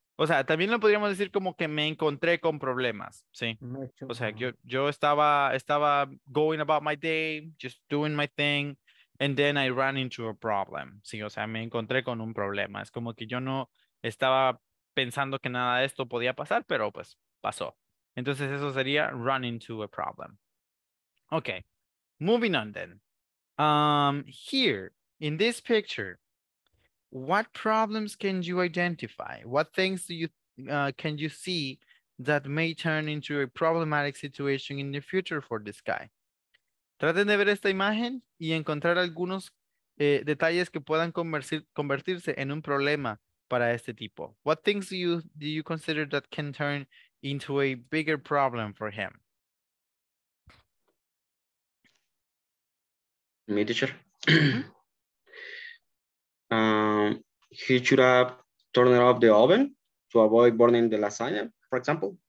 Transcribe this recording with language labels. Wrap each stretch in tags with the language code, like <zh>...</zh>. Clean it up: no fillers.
<es>O sea, también lo podríamos decir como que me encontré con problemas, ¿sí? O sea, yo estaba</es> <en>going about my day, just doing my thing, and then I ran into a problem.</en> <es>Sí, o sea, me encontré con un problema. Es como que yo no estaba pensando que nada de esto podía pasar, pero pues pasó. Entonces, eso sería</es> <en>run into a problem. Okay, moving on then. Here, in this picture, what problems can you identify? What things do you can you see that may turn into a problematic situation in the future for this guy?</en> <es>Traten de ver esta imagen y encontrar algunos detalles que puedan convertirse en un problema para este tipo.</es> <en>What things do you consider that can turn into a bigger problem for him? Me, teacher. he should have turned off the oven to avoid burning the lasagna, for example.</en>